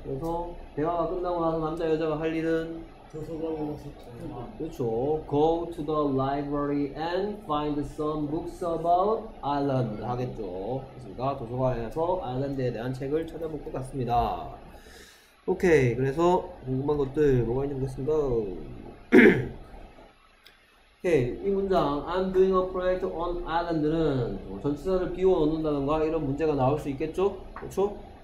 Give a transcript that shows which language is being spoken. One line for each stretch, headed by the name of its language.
Korean: 그래서 대화가 끝나고 나서 남자 여자가 할 일은 도서관으로 가서 그렇죠.
English: Go to the library and find some books about island
Korean: 하겠죠. 그렇습니까? 도서관에서 아일랜드에 대한 책을 찾아볼 것 같습니다. 오케이, 그래서 궁금한 것들 뭐가 있는지 보겠습니다. 이 문장
English: I'm doing a project on island
Korean: 는 전치사를 비워 넣는다던가 이런 문제가 나올 수 있겠죠? 그렇죠?